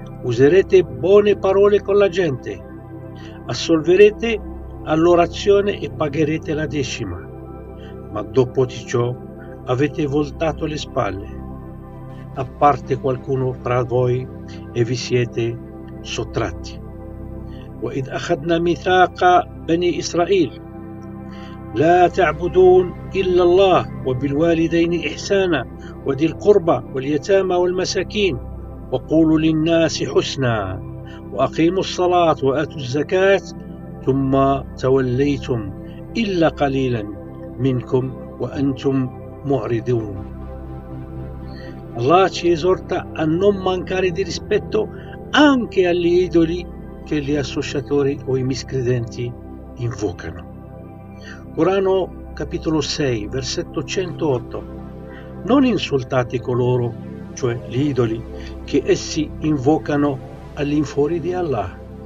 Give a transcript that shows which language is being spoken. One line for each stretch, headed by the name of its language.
Italian: Userete buone parole con la gente. Assolverete all'orazione e pagherete la decima. Ma dopo di ciò avete voltato le spalle, a parte qualcuno tra voi, e vi siete sottratti.
Arabic: Wa id akhadna mithaqa bani Israel. لا تعبدون إلا الله وبالوالدين إحسانا وذي القربى واليتامى والمساكين وقولوا للناس حسنا وأقيموا الصلاة وآتوا الزكاة ثم توليتم إلا قليلا منكم وأنتم معرضون.
Italian: Allah ci esorta a non mancare di rispetto anche agli idoli che gli associatori o i miscredenti invocano. Corano capitolo 6, versetto 108. Non insultate coloro, cioè gli idoli, che essi invocano all'infuori di Allah.